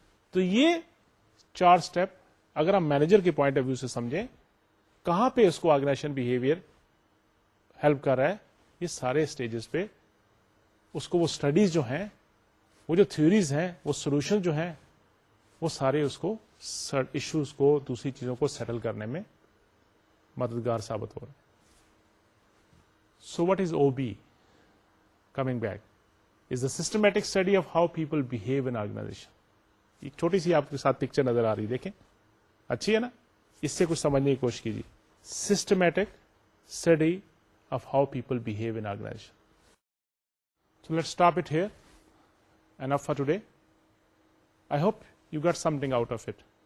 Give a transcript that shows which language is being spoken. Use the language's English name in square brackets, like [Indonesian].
[Urdu] تو یہ چار اسٹیپ اگر ہم مینیجر کے پوائنٹ آف ویو سے سمجھیں, کہاں پہ اس کو آرگنائزیشن بہیویئر ہیلپ کر رہا ہے, یہ سارے اسٹیجز پہ اس کو وہ اسٹڈیز جو ہیں, وہ جو تھیوریز ہیں, وہ سولوشن جو ہیں, وہ سارے اس کو ایشوز کو, دوسری چیزوں کو سیٹل کرنے میں مددگار ثابت ہو رہے ہیں. [English] So what is O B, coming back, is the systematic study of how people behave in organisation. [Urdu] ایک چھوٹی سی آپ کے ساتھ پکچر نظر آ رہی, دیکھیں اچھی ہے نا, اس سے کچھ سمجھنے کی کوشش کیجیے. [English] Systematic study of how people behave in organisation. So let stop it here, enough for today. I hope you get something out of it.